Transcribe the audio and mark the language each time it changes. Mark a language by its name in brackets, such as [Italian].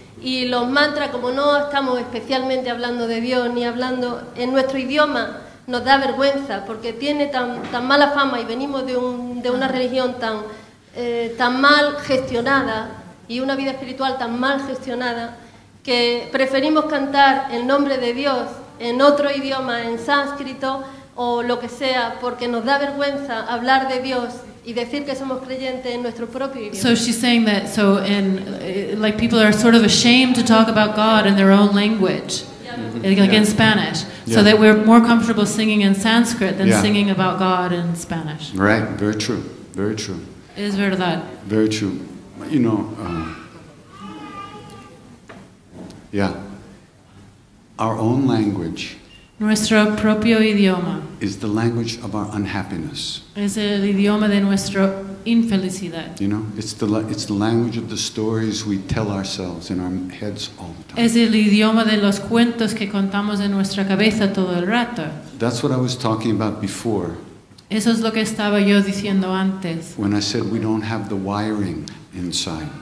[Spanish] Y los mantras, como no estamos especialmente hablando de Dios ni hablando en nuestro idioma, nos da vergüenza porque tiene tan mala fama y venimos de una religión tan mal gestionada y una vida espiritual tan mal gestionada que preferimos cantar el nombre de Dios en otro idioma, en sánscrito o lo que sea, porque nos da vergüenza hablar de Dios y decir que somos creyentes en nuestro propio idioma. [English] So she's saying that, so in, like people are sort of ashamed to talk about God in their own language, mm-hmm. like yeah. in Spanish, yeah. so that we're more comfortable singing in Sanskrit than yeah. singing about God in Spanish. Right, very true, very true. [Spanish] Es verdad. [English] Very true. You know, yeah. Our own language [Spanish] Nuestro propio idioma [English] is the language of our unhappiness. [Spanish] Es el idioma de nuestra infelicidad. [English] You know, it's the language of the stories we tell ourselves in our heads all the time. [Spanish] Es el idioma de los cuentos que contamos en nuestra cabeza todo el rato. [English] That's what I was talking about before. [Spanish] Eso es lo que estaba yo diciendo antes. [English] When I said we don't have the wiring inside.